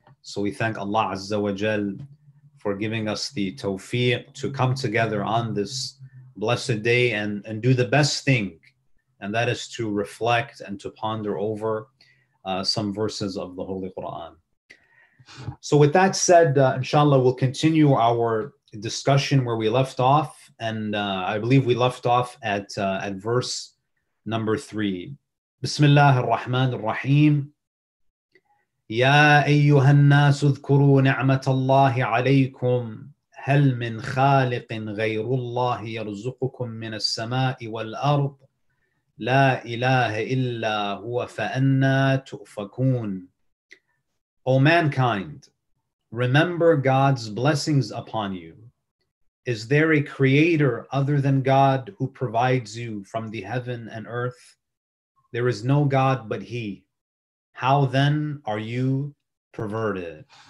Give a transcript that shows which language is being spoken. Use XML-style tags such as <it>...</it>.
<en>So we thank Allah Azza wa Jal for giving us the tawfiq to come together on this blessed day and do the best thing, and that is to reflect and to ponder over some verses of the Holy Quran. So with that said, inshallah, we'll continue our discussion where we left off, and I believe we left off at verse number 3.</en> <ar>Bismillah ar-Rahman ar-Rahim. يا أيها الناس اذكروا نعمة الله عليكم هل من خالق غير الله يرزقكم من السماء والأرض لا إله إلا هو فأنا تؤفكون.</ar> <en>O mankind, remember God's blessings upon you. Is there a creator other than God who provides you from the heaven and earth? There is no God but He. How then are you perverted?</en>